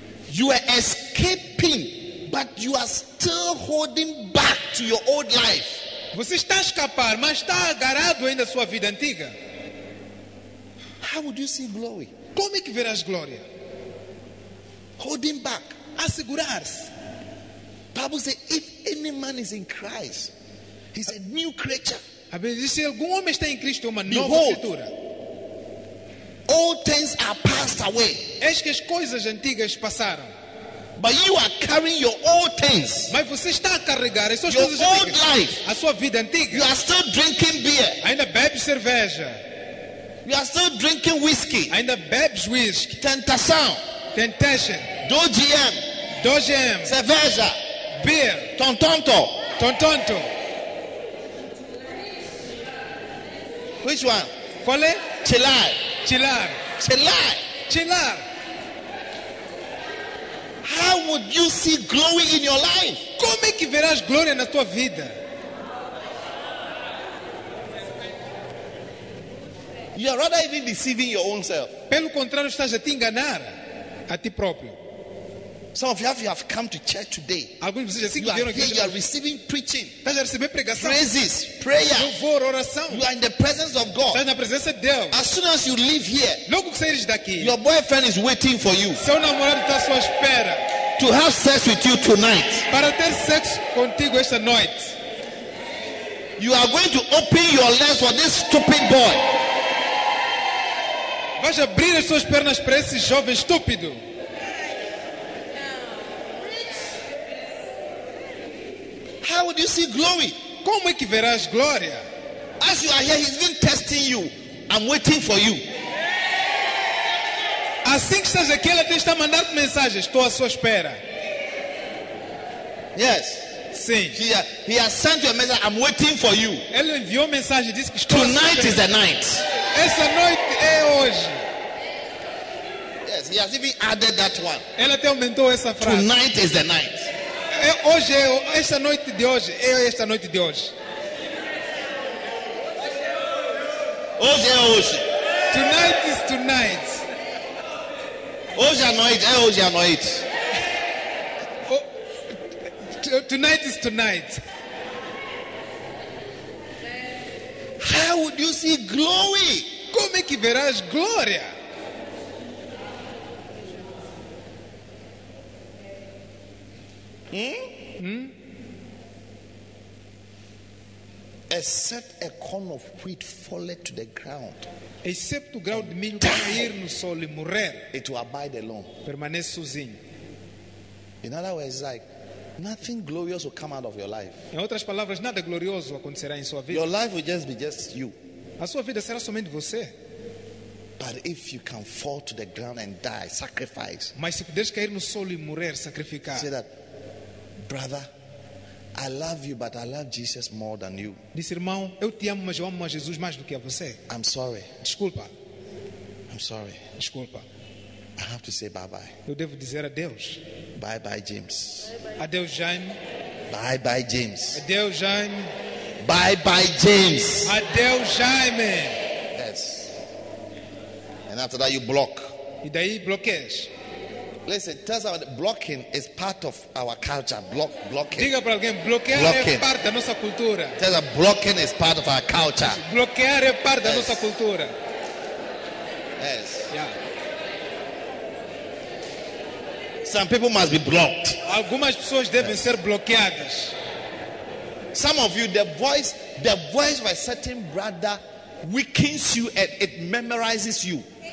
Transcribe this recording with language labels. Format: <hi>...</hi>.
<en>You are escaping, but you are still holding back to your old life.</en> <pt>Você está a escapar, mas está agarrado ainda à sua vida antiga.</pt> <en>How would you see glory?</en> <pt>Como é que verás glória?</pt> <en>Holding back,</en> <pt>assegurar-se.</pt> <en>Bible says, if any man is in Christ, he's a new creature.</en> <pt>A Bíblia diz, se algum homem está em Cristo, é uma nova criatura.</pt> <en>All things are passed away.</en> <pt>Eis que as coisas antigas passaram.</pt> <en>But you are carrying your old things.</en> <pt>Mas você está a carregar as suas</pt> <en>your</en> <pt>coisas</pt> <en>old</en> <pt>antigas.</pt> <en>Life.</en> <pt>A sua vida antiga.</pt> <en>You are still drinking beer.</en> <pt>Ainda bebes cerveja.</pt> <en>You are still drinking whiskey.</en> <pt>Ainda bebes whisky. Tentação. Tentation. Dojiem. Dojiem. Cerveja.</pt> <en>Beer. Tontonto. Tontonto. Which one?</en> <pt>Qual é? Chilai. Chilar. Chilar. Chilar.</pt> <en>How would you see glory in your life?</en> <pt>Como é que verás glória na tua vida?</pt> <en>You are rather even deceiving your own self.</en> <pt>Pelo contrário, estás a te enganar a ti próprio.</pt> <en>Some of you have come to church today.</en> <pt>Alguns de vocês assim que vieram aqui.</pt> <en>You are receiving preaching.</en> <pt>Estás a receber pregação.</pt> <en>Praises, prayer.</en> <pt>Louvor, oração.</pt> <en>You are in the presence of God.</en> <pt>Estás na presença de Deus.</pt> <en>As soon as you leave here,</en> <pt>logo que saíres daqui,</pt> <en>your boyfriend is waiting for you.</en> <pt>Seu namorado está à sua espera.</pt> <en>To have sex with you tonight.</en> <pt>Para ter sexo contigo esta noite.</pt> <en>You are going to open your legs for this stupid boy.</en> <pt>Vai abrir as suas pernas para esse jovem estúpido.</pt> <en>How would you see glory?</en> <pt>Como é que verás glória?</pt> <en>As you are here, he's been testing you. I'm waiting for you.</en> <pt>Assim que estás aqui, ele tem está mandando mensagens. Estou à sua espera.</pt> <en>Yes.</en> <pt>Sim.</pt> <en>He has sent you a message. I'm waiting for you.</en> <pt>Ele enviou mensagem, disse que</pt> <en>tonight is the night.</en> <pt>Essa noite é hoje.</pt> <en>Yes, he has even added that one.</en> <pt>Ele até aumentou essa frase.</pt> <en>Tonight is the night.</en> <pt>É hoje, é essa noite de hoje. É esta noite de hoje. Hoje é hoje.</pt> <en>Tonight is tonight.</en> <pt>Hoje à noite, é hoje à noite.</pt> <en>Tonight is tonight. How would you see glory?</en> <pt>Como é que verás glória?</pt> <en>Except a corn of wheat falleth to the ground. Except</en> <pt>o grão de milho cair no solo e morrer.</pt> <en>It will abide alone.</en> <pt>Permanece sozinho.</pt> <en>In other words, like nothing glorious will come out of your life.</en> <pt>Em outras palavras, nada glorioso acontecerá em sua vida.</pt> <en>Your life will just be just you.</en> <pt>A sua vida será somente você.</pt> <en>But if you can fall to the ground and die, sacrifice.</en> <pt>Mas se puderes cair no solo e morrer, sacrificar.</pt> <en>Say that, brother. I love you, but I love Jesus more than you.</en> <pt>Disse, irmão, eu te amo, mas eu amo a Jesus mais do que a você.</pt> <en>I'm sorry.</en> <pt>Desculpa.</pt> <en>I'm sorry.</en> <pt>Desculpa.</pt> <en>I have to say bye-bye.</en> <pt>Eu devo dizer adeus.</pt> <en>Bye-bye, James.</en> <pt>Adeus, Jaime.</pt> <en>Bye-bye, James.</en> <pt>Adeus, Jaime.</pt> <en>Bye-bye, James.</en> <pt>Adeus, Jaime.</pt> <en>Yes. And after that, you block.</en> <pt>E daí, bloqueias.</pt> <en>Listen, tell somebody, blocking is part of our culture. Blocking.</en> <pt>Diga para alguém, bloquear é parte da nossa cultura.</pt> <en>Tell them, blocking is part of our culture.</en> <pt>Bloquear é parte da nossa cultura.</pt> <en>Yes. Yeah. Some people must be blocked.</en> <pt>Algumas pessoas devem ser bloqueadas.</pt> <en>Some of you, the voice of a certain brother weakens you and it memorizes you.</en>